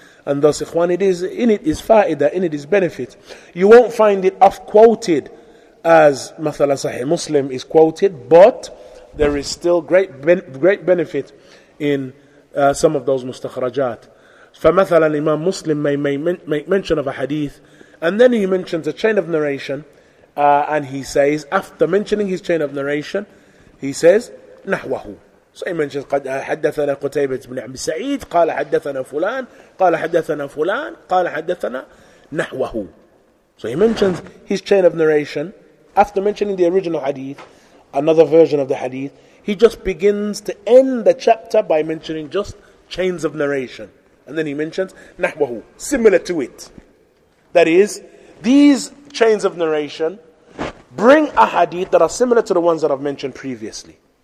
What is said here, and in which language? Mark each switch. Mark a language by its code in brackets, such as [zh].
[en] And thus, ikhwan, in it is fa'idah, in it is benefit. You won't find it off-quoted as Mathala Sahih Muslim is quoted, but there is still great benefit in some of those mustakhrajat. فَمَثَلًا Imam Muslim may make mention of a hadith, and then he mentions a chain of narration, and he says, after mentioning his chain of narration, he says, نَحْوَهُ. So he mentions, [ar] حَدَّثَنَا قُتَيْبَةَ بْنِ عَبْدِ سَعِيدٍ قَالَ حَدَّثَنَا فُلَانٌ قَالَ حَدَّثَنَا فُلَانٌ قَالَ حَدَّثَنَا نَحْوَهُ. [en] So he mentions his chain of narration, after mentioning the original hadith, another version of the hadith, he just begins to end the chapter by mentioning just chains of narration. And then he mentions nahwahu, similar to it. That is, these chains of narration bring a hadith that are similar to the ones that I've mentioned previously.